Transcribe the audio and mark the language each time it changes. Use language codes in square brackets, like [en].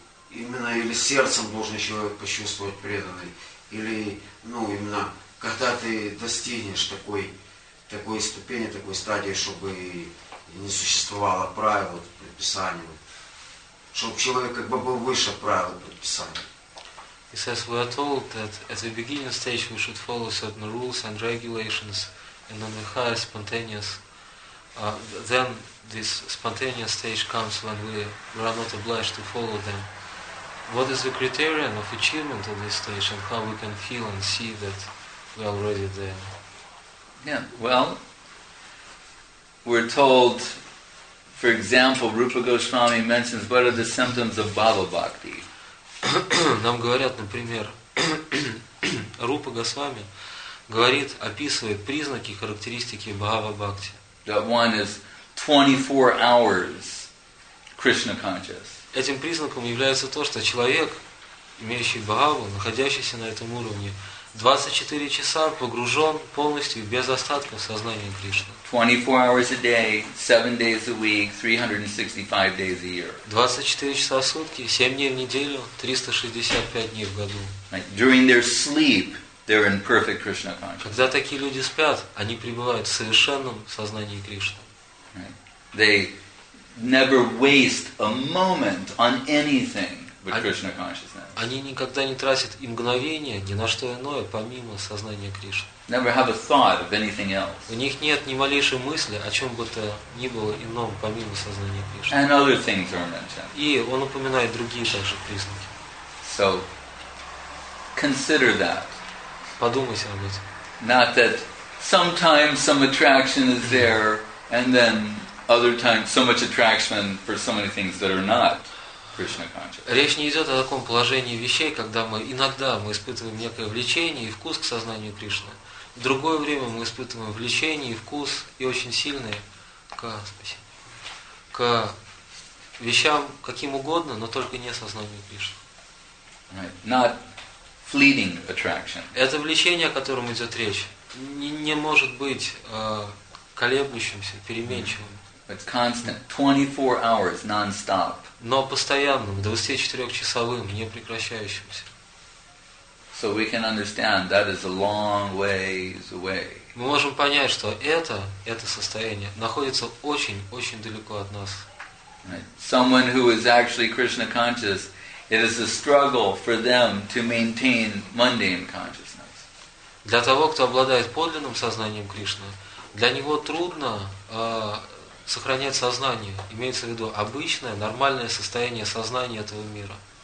[ru] Именно или сердцем должен человек почувствовать преданный, или, ну, именно, когда ты достигнешь такой ступени, такой стадии, чтобы не существовало правил, предписаний, вот, чтобы человек как бы был выше правил, предписаний. [en] He says, we are told that at the beginning stage we should follow certain rules and regulations, and on the higher spontaneous, then this spontaneous stage comes when we are not obliged to follow them. What is the criterion of achievement at this stage and how we can feel and see that we are already there? Yeah, well, we're told, for example, Rupa Goswami mentions what are the symptoms of Bhava Bhakti. [ru] Нам говорят, например, Рупа Госвами говорит, описывает признаки, характеристики Бхава Бхакти. [en] That one is 24 hours Krishna conscious. [ru] Этим признаком является то, что человек, имеющий бхаву, находящийся на этом уровне, 24 часа погружен полностью без остатка в сознание Кришны. [en] 24 hours a day, 7 days a week, 365 days a year. [ru] 24 часа в сутки, 7 дней в неделю, 365 дней в году. [en] During their sleep, they're in perfect Krishna consciousness. [ru] Когда такие люди спят, они пребывают в совершенном сознании Кришны. [en] They never waste a moment on anything but Krishna consciousness. [ru] Они никогда не тратят и мгновение ни на что иное, помимо сознания Кришны. [en] Never have a thought of anything else. [ru] У них нет ни малейшей мысли о чем бы то ни было ином, помимо сознания Кришны. [en] And other things are mentioned. [ru] И он упоминает другие также признаки. [en] So, consider that. [ru] Подумайте об этом. [en] Not that sometimes some attraction is there, and then other times so much attraction for so many things that are not. [ru] Речь не идет о таком положении вещей, когда мы иногда мы испытываем некое влечение и вкус к сознанию Кришны. В другое время мы испытываем влечение и вкус, и очень сильное к вещам каким угодно, но только не сознанию Кришны. [en] Not fleeting attraction. [ru] Это влечение, о котором идет речь, не может быть колеблющимся, переменчивым. [en] It's constant, 24 hours, non-stop. [ru] Но постоянным, 24-часовым, не прекращающимся. [en] So we can understand that is a long ways away. [ru] Мы можем понять, что это состояние находится очень-очень далеко от нас. [en] Right. Someone who is actually Krishna conscious, it is a struggle for them to maintain mundane consciousness. [ru] Для того, кто обладает подлинным сознанием Кришны, для него трудно сохранять сознание, имеется в виду обычное, нормальное состояние сознания этого мира.